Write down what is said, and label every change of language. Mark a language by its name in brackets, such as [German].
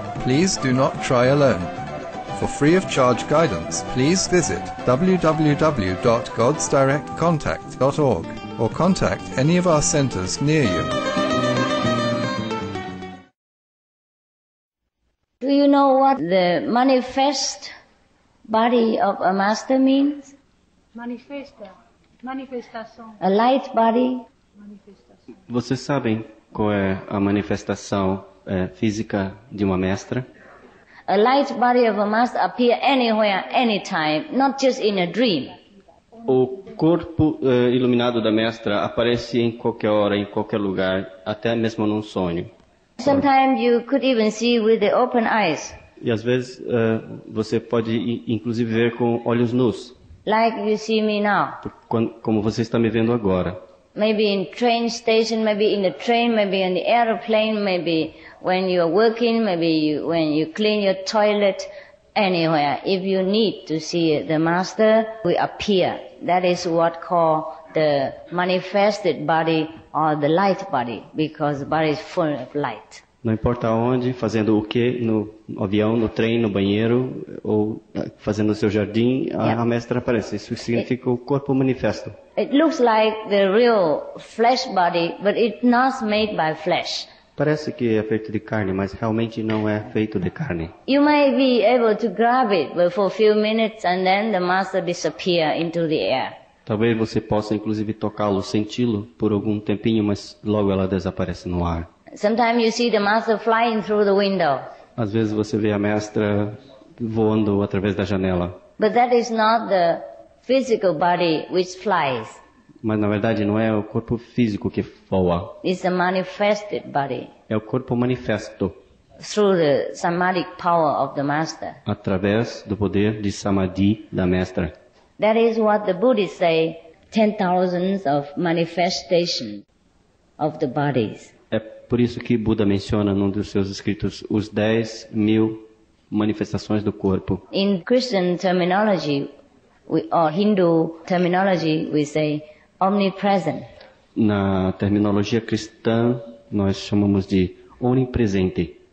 [English] Please do not try alone. For free of charge guidance, please visit www.godsdirectcontact.org or contact any of our centers near you. Do you know what the manifest body of a master means? [Portuguese] Manifestação. [English] A light body. [Portuguese] Vocês sabem qual é a manifestação física de uma mestra? [English] A light body of a master appear anywhere, anytime, not just in a dream. [Portuguese] O corpo iluminado da mestra aparece em qualquer hora, em qualquer lugar, até mesmo num sonho. [English] Sometimes you could even see with the open eyes. [Portuguese] E às vezes você pode inclusive ver com olhos nus. [English] Like you see me now. [Portuguese] Como você está me vendo agora. [English] Maybe in train station, maybe in the train, maybe on the aeroplane, maybe when you are working, maybe when you clean your toilet, anywhere. If you need to see the master, we appear. That is what called the manifested body or the light body, because the body is full of light. [Portuguese] Não importa onde, fazendo o que, no avião, no trem, no banheiro, ou fazendo o seu jardim, a mestra aparece. Isso significa o corpo manifesto. [English] It looks like the real flesh body, but it's not made by flesh. [Portuguese] Parece que é feito de carne, mas realmente não é feito de carne. [English] You may be able to grab it for a few minutes and then the master disappear into the air. [Portuguese] Talvez você possa inclusive tocá-lo, senti-lo por algum tempinho, mas logo ela desaparece no ar. [English] Sometimes you see the master flying through the window. [Portuguese] Às vezes você vê a mestra voando através da janela. [English] But that is not the physical body which flies. [Portuguese] Mas na verdade não é o corpo físico que voa. [English] It's a manifested body. [Portuguese] É o corpo manifesto. [English] Through the samadhic power of the master. [Portuguese] Através do poder de samadhi da mestra. [English] That is what the Buddhists say, 10,000 of manifestation of the bodies. [Portuguese] É por isso que Buda menciona num dos seus escritos os 10,000 manifestações do corpo. [English] In Christian terminology, or Hindu terminology, we say omnipresent. [Portuguese] Na terminologia cristã, nós chamamos de onipresente.